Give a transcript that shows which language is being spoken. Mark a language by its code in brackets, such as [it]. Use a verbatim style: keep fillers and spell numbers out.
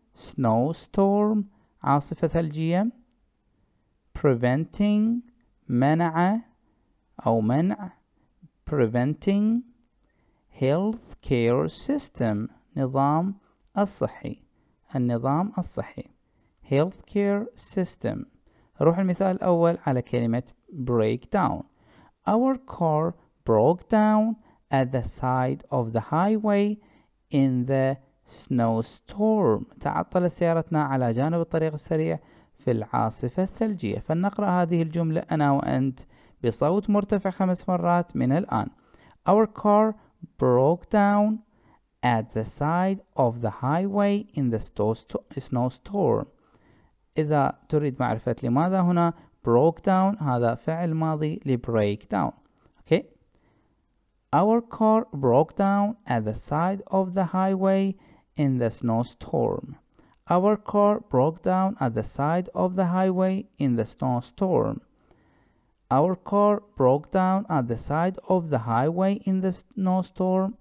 [ar] snowstorm عاصفة ثلجية. preventing منع أو منع preventing. [en] health care system [ar] نظام الصحي، النظام الصحي [en] health care system. [ar] نروح المثال الأول على كلمة break down. [en] our car broke down at the side of the highway in the snowstorm. [ar] تعطلت سيارتنا على جانب الطريق السريع في العاصفة الثلجية. فلنقرأ هذه الجملة أنا وأنت بصوت مرتفع خمس مرات من الآن. [en] Our car broke down at the side of the highway in the snowstorm. [ar] إذا تريد معرفة لماذا هنا broke down، هذا فعل ماضي ل break down. [en] Okay. Our car broke down at the side of the highway in the snowstorm. Our car broke down at the side of the highway in the snowstorm. Our car broke down at the side of the highway in the snowstorm.